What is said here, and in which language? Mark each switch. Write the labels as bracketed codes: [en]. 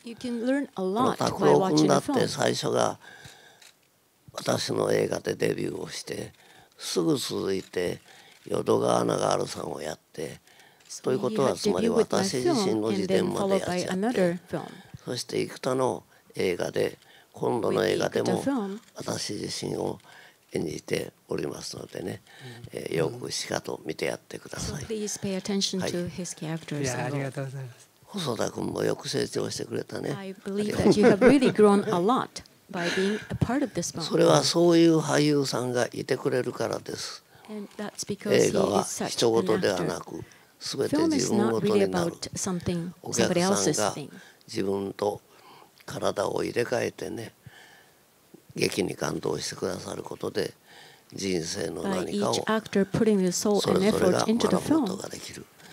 [ja] タクロー君だって最初が私の映画でデビューをして、すぐ続いて淀川ナガールさんをやって、ということはつまり私自身の自伝までやっちゃって、そして幾多の映画で、今度の映画でも私自身を演じておりますのでね、よくしかと見てやってください。 [en] So please pay attention to his characters. [ja] Yeah, ありがとうございます。細田君もよく成長してくれたね。 [en] I believe that you have really grown a lot by being a part of this film. [ja] それはそういう俳優さんがいてくれるからです。 [en] And that's because he is such an actor. [ja] 映画は人事ではなく、すべて自分事になる。 [en] Film is not really about something somebody else's thing. [ja] 自分と体を入れ替えてね。劇に感動してくださることで人生の何かをそれぞれが学ぶことができる。